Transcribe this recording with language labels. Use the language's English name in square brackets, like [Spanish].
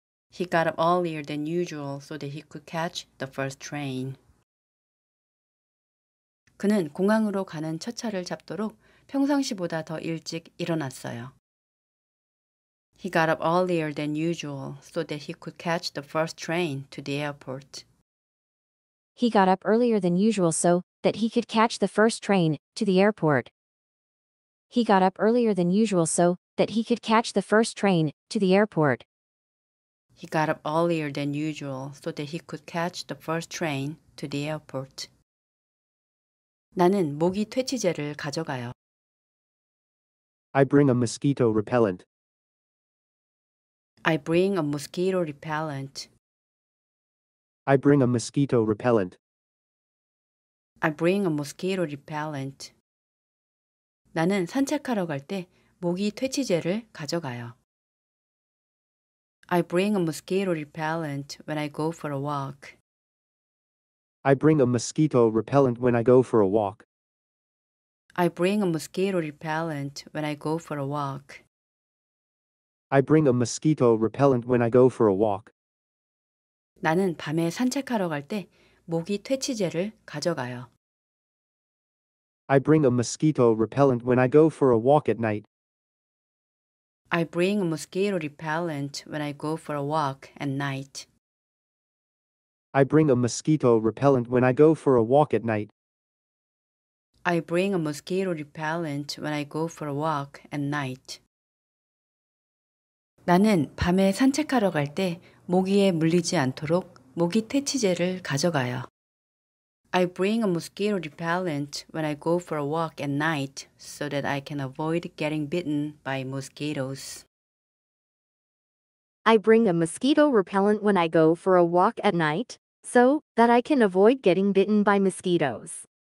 [English] He got up earlier than usual so that he could catch the first train. [Korean] 그는 공항으로 가는 첫 차를 잡도록 평상시보다 더 일찍 일어났어요. [English] He got up earlier than usual so that he could catch the first train to the airport. He got up earlier than usual so that he could catch the first train to the airport. He got up earlier than usual so that he could catch the first train to the airport. He got up earlier than usual so that he could catch the first train to the airport. [Korean] 나는 모기 퇴치제를 가져가요. [English] I bring a mosquito repellent. I bring a mosquito repellent. I bring a mosquito repellent. I bring a mosquito repellent. [Korean] 나는 산책하러 갈 때 모기 퇴치제를 가져가요. [English] I bring a mosquito repellent when I go for a walk. I bring a mosquito repellent when I go for a walk. I bring a mosquito repellent when I go for a walk. I bring a mosquito repellent when I go for a walk. [Korean] 나는 밤에 산책하러 갈 때 모기 퇴치제를 가져가요. [English] I bring a mosquito repellent when I go for a walk at night. I bring a mosquito repellent when I go for a walk at night. I bring a mosquito repellent when I go for a walk at night. I bring a mosquito repellent when I go for a walk at night. [Korean] 나는 밤에 산책하러 갈 때 모기에 물리지 않도록 모기 퇴치제를 가져가요. [English] I bring a mosquito repellent when I go for a walk at night so that I can avoid getting bitten by mosquitoes. I bring a mosquito repellent when I go for a walk at night so that I can avoid getting bitten by mosquitoes.